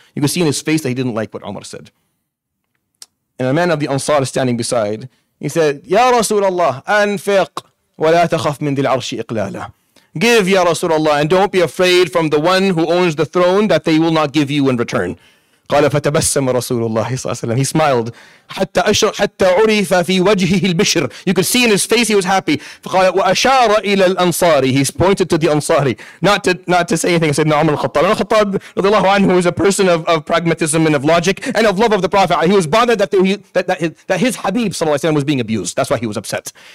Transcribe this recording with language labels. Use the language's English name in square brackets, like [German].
[English] You can see in his face that he didn't like what Umar said. And a man of the Ansar standing beside, he said, [Arabic] يَا رَسُولَ اللَّهِ أَنْفِقْ وَلَا تَخَفْ مِنْ ذِي الْعَرْشِ إِقْلَالَ. [English] Give, [Arabic] يَا رَسُولَ اللَّهِ, [English] and don't be afraid from the one who owns the throne that they will not give you in return. [Arabic] قَالَ فَتَبَسَّمَ رَسُولُ اللَّهِ صَلَى اللَّهُ عَلَيْهِ. [English] He smiled. [Arabic] حَتَّى عُرِفَ فِي وَجْهِهِ الْبِشْرِ. [English] You could see in his face he was happy. [Arabic] فَقَالَ وَأَشَارَ إِلَى الْأَنصَارِ. [English] He pointed to the Ansari. Not to say anything. Sayyidina Umar al-Khattab. Al-Khattab, رضي الله عنه, was a person of pragmatism and of logic and of love of the Prophet. He was bothered that his Habib, صلى الله عليه وسلم, was being abused. That's why he was upset.